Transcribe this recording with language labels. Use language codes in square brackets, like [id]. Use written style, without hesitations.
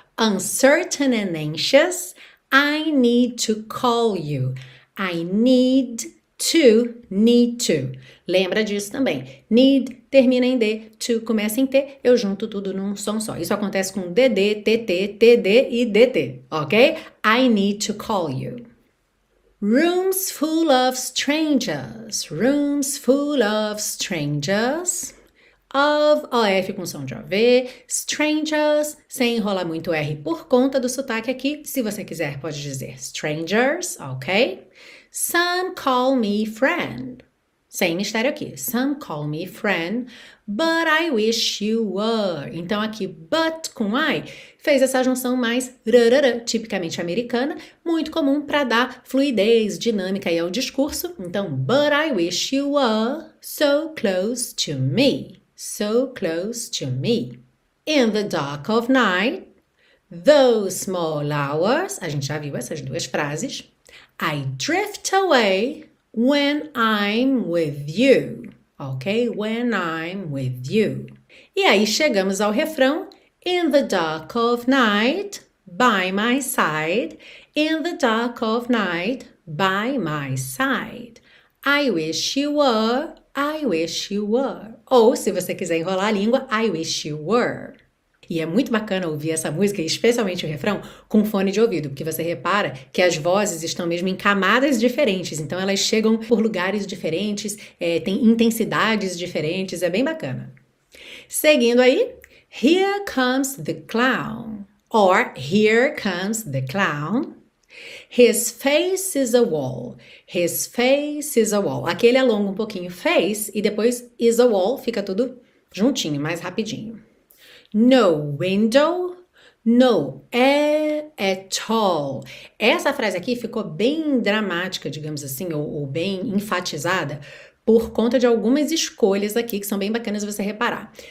[en] Uncertain and anxious. I need to call you. I need to. [pt] Lembra disso também. Need termina em D, to começa em T, eu junto tudo num som só. Isso acontece com DD, TT, TD e DT, ok? [en] I need to call you. Rooms full of strangers. Rooms full of strangers. [pt] Of, OF com som de OV, strangers, sem enrolar muito R por conta do sotaque aqui. Se você quiser, pode dizer strangers, ok? [en] Some call me friend. [pt] Sem mistério aqui. [en] Some call me friend, but I wish you were. [pt] Então aqui, but com I fez essa junção mais rarara, tipicamente americana, muito comum para dar fluidez, dinâmica aí ao discurso. [en] Então, but I wish you were so close to me. So close to me. In the dark of night, those small hours, [pt] a gente já viu essas duas frases. [en] I drift away when I'm with you. Ok? When I'm with you. [pt] E aí chegamos ao refrão. [en] In the dark of night, by my side. In the dark of night, by my side. I wish you were. I wish you were. [pt] Ou, se você quiser enrolar a língua, [en] I wish you were. [pt] E é muito bacana ouvir essa música, especialmente o refrão, com fone de ouvido, porque você repara que as vozes estão mesmo em camadas diferentes, então elas chegam por lugares diferentes, têm intensidades diferentes, é bem bacana. [en] Seguindo aí, Here comes the clown, or Here comes the clown. His face is a wall. His face is a wall. [pt] Aqui ele alonga um pouquinho face e depois is a wall, fica tudo juntinho, mais rapidinho. [en] No window, no at all. [pt] Essa frase aqui ficou bem dramática, digamos assim, ou bem enfatizada, por conta de algumas escolhas aqui que são bem bacanas você reparar.